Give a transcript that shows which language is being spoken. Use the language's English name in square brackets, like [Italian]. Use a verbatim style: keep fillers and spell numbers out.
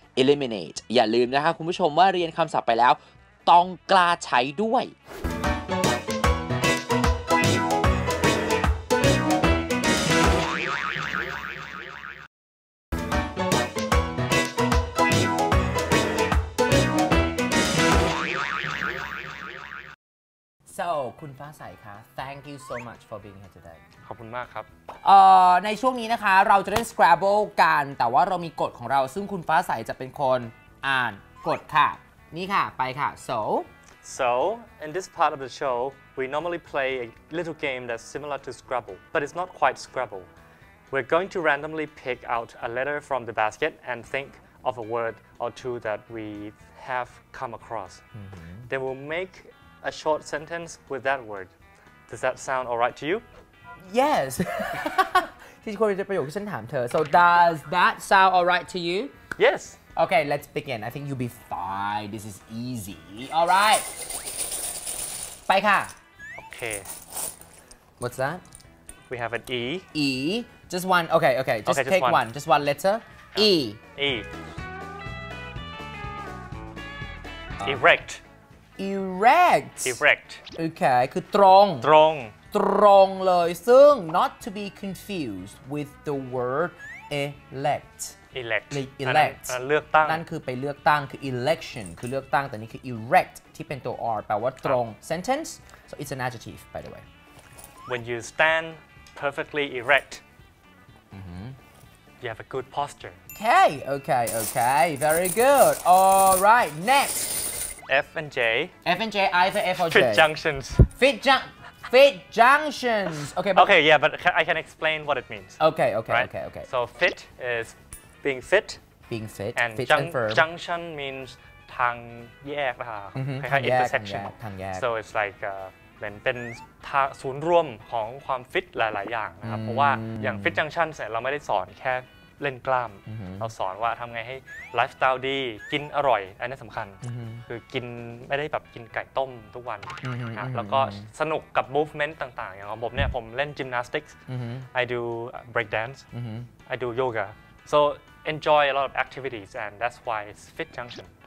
[Thai] eliminate อย่าลืมนะคะคุณผู้ชมว่าเรียนคำศัพท์ไปแล้วต้องกล้าใช้ด้วยSo คุณฟ้าใสคะ [English] Thank you so much for being here today [Thai] ขอบคุณมากครับ เอ่อในช่วงนี้นะคะเราจะเล่น Scrabble กันแต่ว่าเรามีกฎของเราซึ่งคุณฟ้าใสจะเป็นคนอ่านกฎค่ะนี่ค่ะไปค่ะ So [English] So in this part of the show we normally play a little game that's similar to Scrabble but it's not quite Scrabble we're going to randomly pick out a letter from the basket and think of a word or two that we have come across mm-hmm. Then we'll make a short sentence with that word. Does that sound all right to you? Yes. [Thai] ที่คุณจะประโยคที่ฉันถามเธอ [English] So does that sound all right to you? Yes. Okay, let's begin. I think you'll be fine. This is easy. All right. [Thai] ไปค่ะ [English] Okay. What's that? We have an E. E. Just one. Okay, okay. Just okay, take just one. one. Just one letter. Yeah. E. E. Uh. Erect. erect erect [Thai] โอเคคือตรง ตรง ตรงเลยซึ่ง [English] not to be confused with the word elect elect elect [Thai] เลือกตั้ง นั่นคือไปเลือกตั้งคือ election คือเลือกตั้งแต่นี่คือ erect ที่เป็นตัว r แปลว่าตรง sentence [English] so it's an adjective by the way when you stand perfectly erect mm-hmm. you have a good posture okay okay okay very good all right next F and J. F and J, either F or J. Fit junctions. Fit jun- fit junctions. Okay, but okay, yeah, but I can explain what it means. Okay, okay, right? okay, okay. So fit is being fit. Being fit. And fit jun- and firm. junction means [Thai] ทางแยกนะคะคล้ายๆ [English] intersection. [Thai] ทางแยก So it's like uh, เป็นเป็นศูนย์รวมของความฟิตหลายๆอย่างนะครับเพราะว่าอย่าง fit junction เนี่ยเราไม่ได้สอนแค่เล่นกล้ามเราสอนว่าทำไงให้ไลฟ์สไตล์ดีกินอร่อยอันนี้สำคัญคือกินไม่ได้แบบกินไก่ต้มทุกวันนะแล้วก็สนุกกับ movement ต่างๆอย่างของผมเนี่ยผมเล่น gymnastics [English] I do break dance I do yoga so enjoy a lot of activities and that's why it's fit junction